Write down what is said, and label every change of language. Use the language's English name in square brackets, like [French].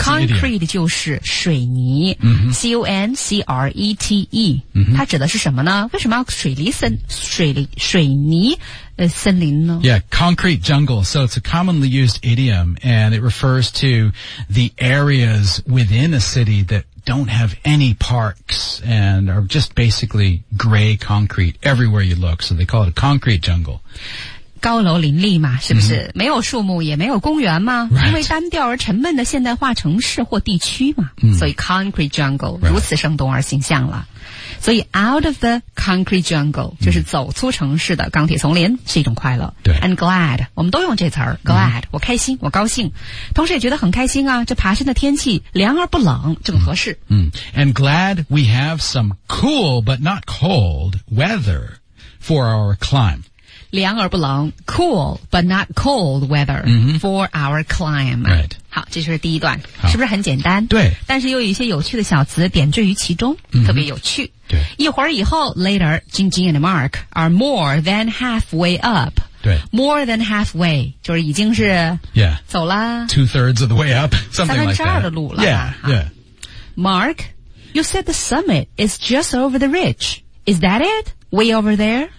[Chinese] concrete 就是水泥、C-O-N-C-R-E-T-E.、它指的是什么呢为什么要水泥森林呢 [English] Yeah, concrete jungle. So it's a commonly used idiom and it refers to the areas within a city that don't have any parks and are just basically gray concrete everywhere you look. So they call it a concrete jungle. [Chinese] 高楼林立嘛是不是、没有树木也没有公园吗、 [English] right. [Chinese] 因为单调而沉闷的现代化城市或地区嘛、所以 [English] concrete jungle、 [Chinese] 如此生动而形象了。所以 [English] out of the concrete jungle [Chinese] 就是走出城市的钢铁丛林是一种快乐对 [English] and glad [Chinese] 我们都用这词儿 glad、我开心我高兴同时也觉得很开心啊这爬山的天气凉而不冷正合适 [English] and glad we have some cool but not cold weather for our climb [Chinese] 凉而不冷 [English] cool but not cold weather for our climb、 right. [Chinese] 好这就是第一段是不是很简单对但是又有一些有趣的小词点缀于其中、特别有趣对一会儿以后 [English] later 晶晶 and Mark are more than halfway up [Chinese] 对 [English] more than halfway [Chinese] 就是已经是 [English] yeah [Chinese] 走了 [English] 2/3 of the way up something like that [Chinese] 三分之二的路了 [English] yeah, yeah Mark you said the summit is just over the ridge is that itWay over there?